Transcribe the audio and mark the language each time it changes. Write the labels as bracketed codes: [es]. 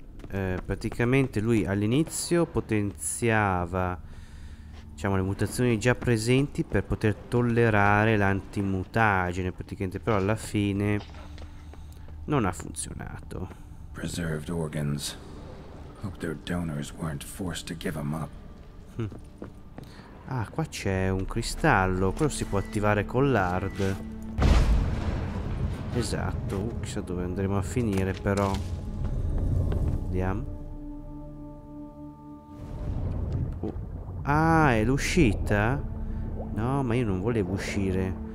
[it] Praticamente lui all'inizio potenziava, diciamo, le mutazioni già presenti per poter tollerare l'antimutagene, praticamente, però alla fine non ha funzionato. [en] Preserved organs. Hope their donors weren't forced to give them up. [it] Ah, qua c'è un cristallo. Quello si può attivare con l'hard. Esatto. Chissà dove andremo a finire, però. Vediamo. Ah, è l'uscita? No, ma io non volevo uscire.